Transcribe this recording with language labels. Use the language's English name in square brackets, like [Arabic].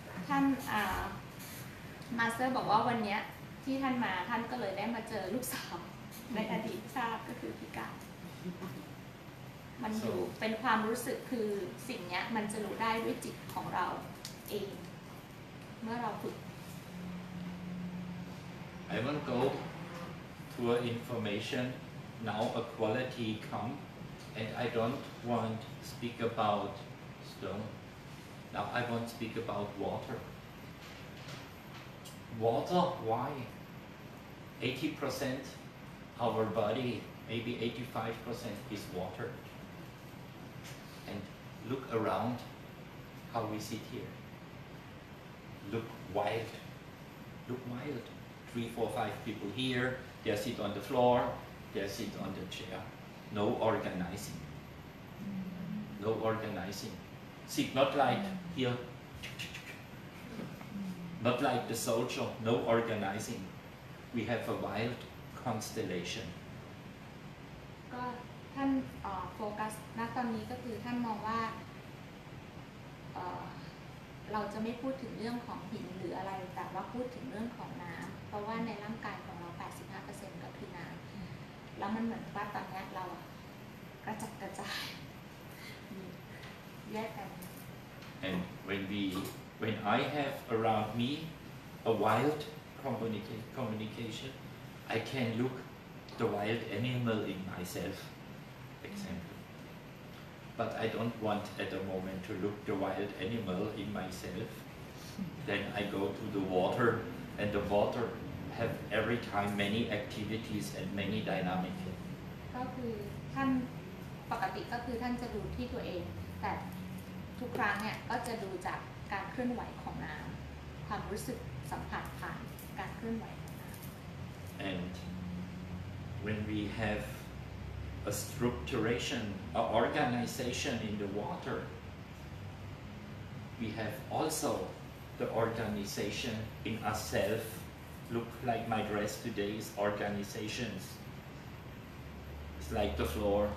[Thai] ท่านมาสเตอร์บอกว่าวันนี้ที่ท่านมาท่านก็เลยได้มาเจอลูกสาวในอดีตทราบก็คือพิการมันอยู่เป็นความรู้สึกคือสิ่งนี้มันจะรู้ได้ด้วยจิตของเราเองเมื่อเราฝึก [English] I want to go to an information now a quality come and I don't want to speak about stoneNow I want to speak about water. Water, why? 80% our body, maybe 85% is water. And look around how we sit here. Look wild. Look wild. 3, 4, 5 people here. They sit on the floor. They sit on the chair. No organizing. No organizing. See, not like here, not like the social, no organizing. We have a wild constellation. [Thai] ท่านโฟกัสณตอนนี้ก็คือท่านมองว่าเราจะไม่พูดถึงเรื่องของหินหรืออะไรแต่ว่าพูดถึงเรื่องของน้ำเพราะว่าในร่างกายของเรา 85% ก็คือน้ำแล้วมันเหมือนว่าตอนนี้เรากระจัดกระจายแยกกัน [English] And when I have around me a wild communication I can look the wild animal in myself example but I don't want at the moment to look the wild animal in myself then I go to the water and the water have every time many activities and many dynamic [Thai] ก็คือท่านปกติก็คือท่านจะดูที่ตัวเองแต่ทุกครั้งเนี่ยก็จะดูจากการเคลื่อนไหวของน้ำความรู้สึกสัมผัสผ่านการเคลื่อนไหวของน้ำ [English] and when we haveA structuration, a organization in the water. We have also the organization in ourselves. Look like my dress today is organizations. It's like the floor.